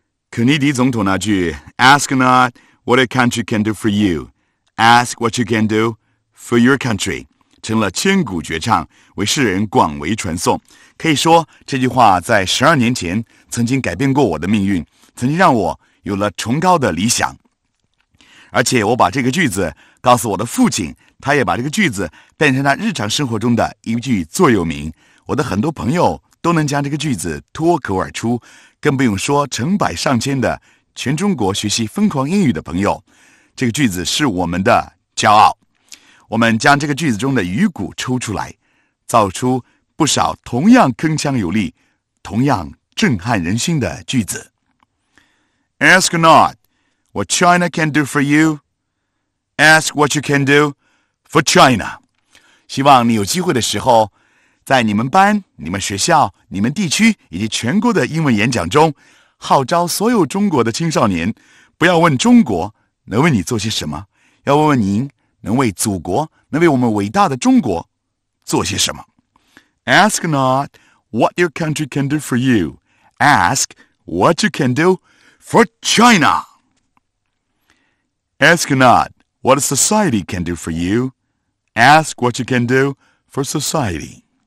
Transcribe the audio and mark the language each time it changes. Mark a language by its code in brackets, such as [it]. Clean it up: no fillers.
[zh] 肯尼迪总统那句 [en] Ask not what a country can do for you. Ask what you can do for your country. [zh] 成了千古绝唱，为世人广为传颂。可以说，这句话在12年前曾经改变过我的命运，曾经让我有了崇高的理想。而且我把这个句子告诉我的父亲，他也把这个句子变成他日常生活中的一句座右铭。我的很多朋友都能将这个句子脱口而出，更不用说成百上千的全中国学习疯狂英语的朋友。这个句子是我们的骄傲。我们将这个句子中的鱼骨抽出来，造出不少同样铿锵有力、同样震撼人心的句子。 [en] Ask not what China can do for you, ask what you can do for China. [zh] 希望你有机会的时候，在你们班、你们学校、你们地区以及全国的英文演讲中，号召所有中国的青少年，不要问中国能为你做些什么，要问问您能为祖国、能为我们伟大的中国做些什么。 [en] Ask not what your country can do for you, ask what you can do for China. Ask not what society can do for you, ask what you can do for society.